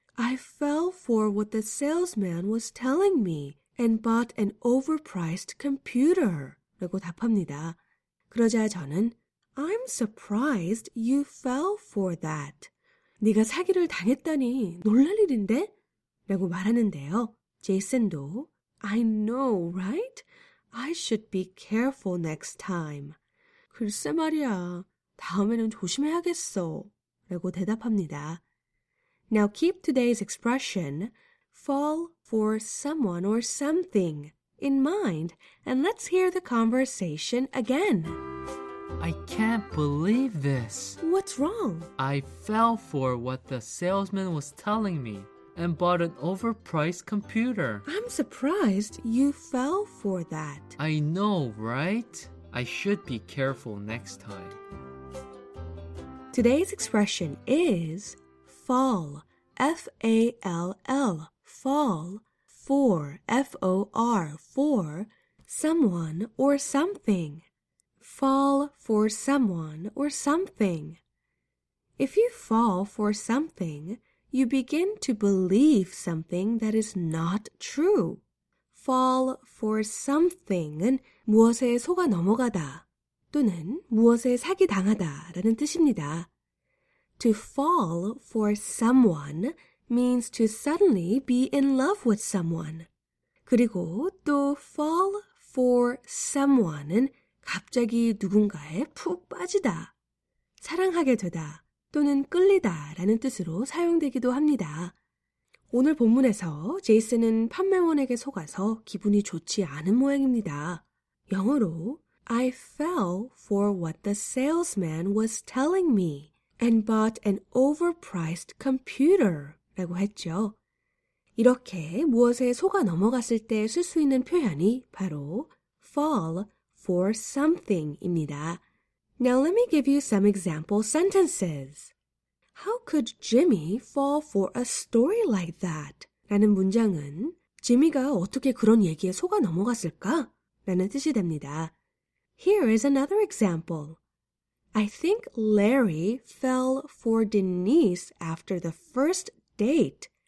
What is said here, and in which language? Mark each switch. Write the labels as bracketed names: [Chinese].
[English] I fell for what the salesman was telling me and bought an overpriced computer. [Korean] 라고 답합니다. 그러자 저는 [English] I'm surprised you fell for that. [Korean] 네가 사기를 당했다니 놀랄 일인데? 라고 말하는데요. 제이슨도 [English] I know, right? I should be careful next time. [Korean] 글쎄 말이야, 다음에는 조심해야겠어. 라고 대답합니다. [English] Now keep today's expression, fall for someone or something, in mind, and let's hear the conversation again. I can't believe this. What's wrong? I fell for what the salesman was telling me and bought an overpriced computer. I'm surprised you fell for that. I know, right? I should be careful next time. Today's expression is fall, F-A-L-L, fall, for, F-O-R, for someone or something. Fall for someone or something. If you fall for something, you begin to believe something that is not true. Fall for something은 [Korean] 무엇에 속아 넘어가다 또는 무엇에 사기당하다라는 뜻입니다. [English] To fall for someone means to suddenly be in love with someone. [Korean] 그리고 또 fall for someone은 갑자기 누군가에 푹 빠지다, 사랑하게 되다 또는 끌리다 라는 뜻으로 사용되기도 합니다. 오늘 본문에서 제이슨은 판매원에게 속아서 기분이 좋지 않은 모양입니다. 영어로 [English] I fell for what the salesman was telling me and bought an overpriced computer [Korean] 라고 했죠. 이렇게 무엇에 속아 넘어갔을 때 쓸 수 있는 표현이 바로 fall for something입니다. [English] Now let me give you some example sentences. How could Jimmy fall for a story like that? [Korean] 라는 문장은 지미가 어떻게 그런 얘기에 속아 넘어갔을까? 라는 뜻이 됩니다. [English] Here is another example. I think Larry fell for Denise after the first date.